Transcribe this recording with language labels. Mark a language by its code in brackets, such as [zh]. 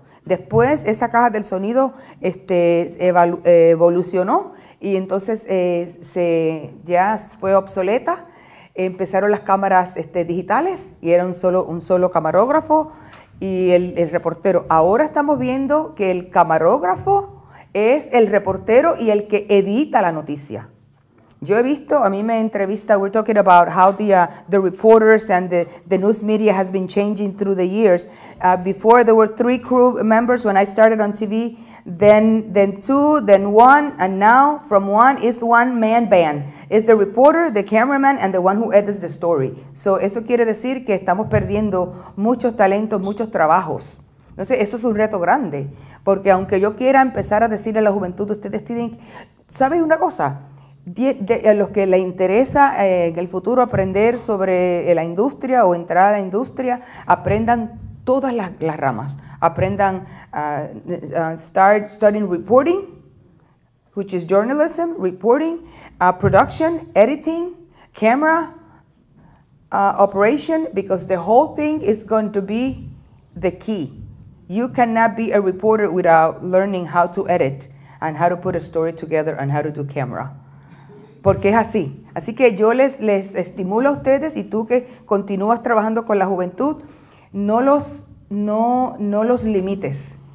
[es] Después esa caja del sonido evolucionó y entonces ya fue obsoleta. Empezaron las cámaras digitales y era un solo camarógrafo y el reportero. Ahora estamos viendo que el camarógrafo es el reportero y el que edita la noticia. Yo he visto, a mí me entrevista, [en] we're talking about how the reporters and the news media has been changing through the years. Before there were three crew members when I started on TV, then two, then one, and now from one is one man band. It's the reporter, the cameraman, and the one who edits the story. [es] So eso quiere decir que estamos perdiendo muchos talentos, muchos trabajos. Entonces, eso es un reto grande. Porque aunque yo quiera empezar a decirle a la juventud, ustedes tienen, ¿sabes una cosa? A los que les interesa en el futuro aprender sobre la industria o entrar a la industria, aprendan todas las ramas. Aprendan [en] studying reporting, which is journalism, reporting, production, editing, camera, operation, because the whole thing is going to be the key. You cannot be a reporter without learning how to edit and how to put a story together and how to do camera. [es] Porque es así. Así que yo les estimulo a ustedes, y tú que continúas trabajando con la juventud, no los limites.